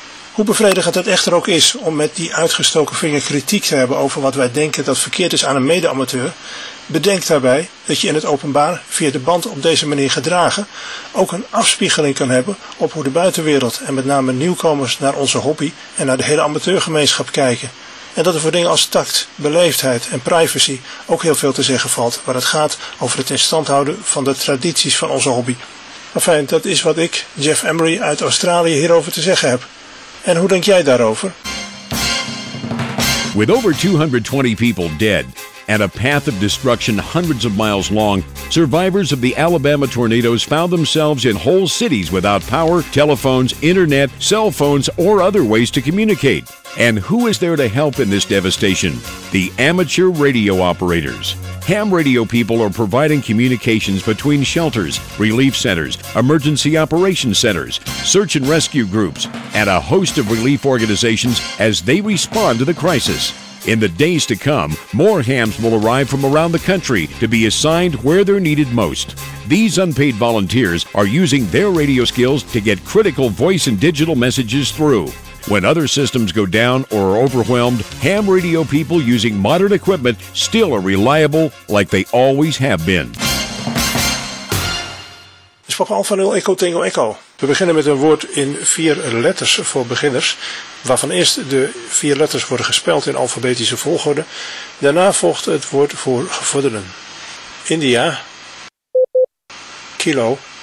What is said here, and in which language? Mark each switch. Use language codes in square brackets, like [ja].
[nl] Hoe bevredigend het echter ook is om met die uitgestoken vinger kritiek te hebben over wat wij denken dat verkeerd is aan een mede-amateur, bedenk daarbij dat je in het openbaar, via de band op deze manier gedragen, ook een afspiegeling kan hebben op hoe de buitenwereld en met name nieuwkomers naar onze hobby en naar de hele amateurgemeenschap kijken. En dat er voor dingen als tact, beleefdheid en privacy ook heel veel te zeggen valt waar het gaat over het in stand houden van de tradities van onze hobby. Enfin, dat is wat ik, Jeff Emery uit Australië, hierover te zeggen heb. En hoe denk jij daarover? [en] With over 220 people dead and a path of destruction hundreds of miles long, survivors of the Alabama tornadoes found themselves in whole cities without power, telephones, internet, cell phones, or other ways to communicate. And who is there to help in this devastation? The amateur radio operators. Ham radio people are providing communications between shelters, relief centers, emergency operations centers, search and rescue groups, and a host of relief organizations as they respond to the crisis. In the days to come, more hams will arrive from around the country to be assigned where they're needed most. These unpaid volunteers are using their radio skills to get critical voice and digital messages through. When other systems go down or are overwhelmed, ham radio people using modern equipment still are reliable like they always have been. [nl] Is Papa Alpha 0 Echo Tango Echo. We beginnen met een woord in vier letters voor beginners, waarvan eerst de vier letters worden gespeld in alfabetische volgorde. Daarna volgt het woord voor gevorderden. India. Kilo.